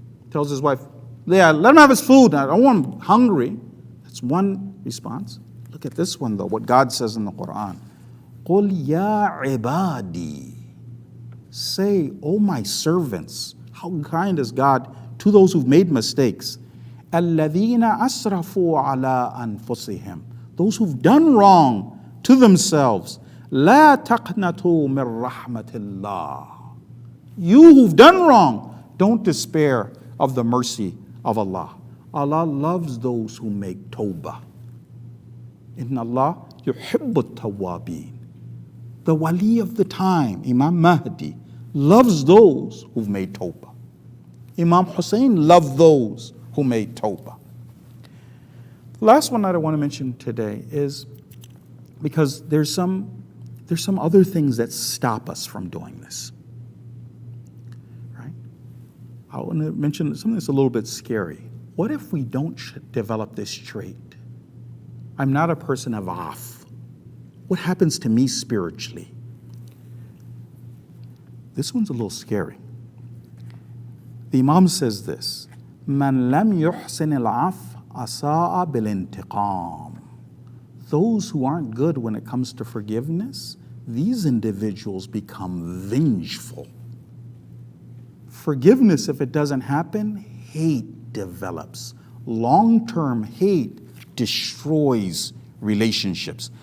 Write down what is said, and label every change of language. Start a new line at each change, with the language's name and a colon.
English: Tells his wife, yeah, let him have his food. I don't want him hungry. That's one response. Look at this one, though, what God says in the Quran.
Arabic: قُلْ يَا عِبَادِي,
English: say, O my servants, how kind is God to those who've made mistakes.
Arabic: أَلَّذِينَ أَسْرَفُوا عَلَىٰ أَنفُسِهِمْ,
English: those who've done wrong to themselves.
Arabic: لَا تَقْنَتُوا مِن رَحْمَةِ اللَّهِ,
English: You who've done wrong, don't despair of the mercy of Allah. Allah loves those who make tawbah.
Arabic: Inna Allah yuhibbu at-tawwabin.
English: The wali of the time, Imam Mahdi, loves those who've made tawbah. Imam Hussein loved those who made tawbah. The last one that I want to mention today is because there's some other things that stop us from doing this. Right? I want to mention something that's a little bit scary. What if we don't develop this trait? I'm not a person of off. What happens to me spiritually? This one's a little scary. The Imam says this,
Arabic: مَنْ لَمْ يُحْسِنِ الْعَفْءَ أَسَاءَ بِالْإِنْتِقَامِ.
English: Those who aren't good when it comes to forgiveness, these individuals become vengeful. Forgiveness, if it doesn't happen, hate develops. Long-term hate destroys relationships.